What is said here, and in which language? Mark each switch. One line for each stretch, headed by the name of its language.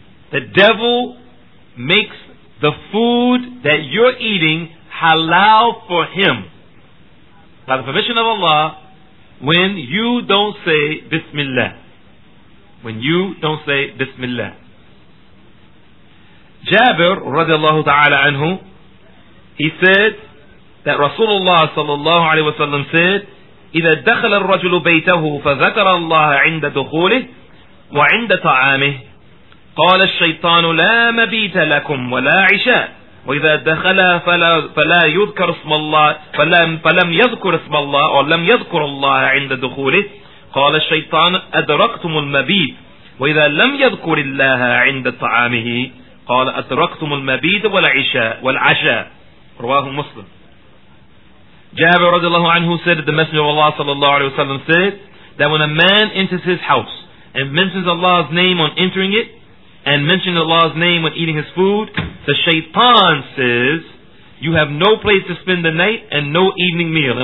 English: The devil makes the food that you're eating halal for him by the permission of Allah when you don't say Bismillah. When you don't say Bismillah. Jabir radiallahu ta'ala anhu, he said that Rasulullah sallallahu alayhi wa sallam said,
Arabic: إذا دخل الرجل بيته فذكر الله عند دخوله وعند طعامه قال الشيطان لا مبيت لكم ولا عشاء وإذا دخل فلا يذكر اسم الله فلم يذكر اسم الله أو لم يذكر الله عند دخوله قال الشيطان أدركتم المبيت وإذا لم يذكر الله عند طعامه قال أتركتم المبيد والعشاء رواه مسلم.
English: Jabir radiallahu anhu said that the Messenger of Allah sallallahu alayhi wa sallam said that when a man enters his house and mentions Allah's name on entering it and mentions Allah's name when eating his food, the shaitan says, you have no place to spend the night and no evening meal.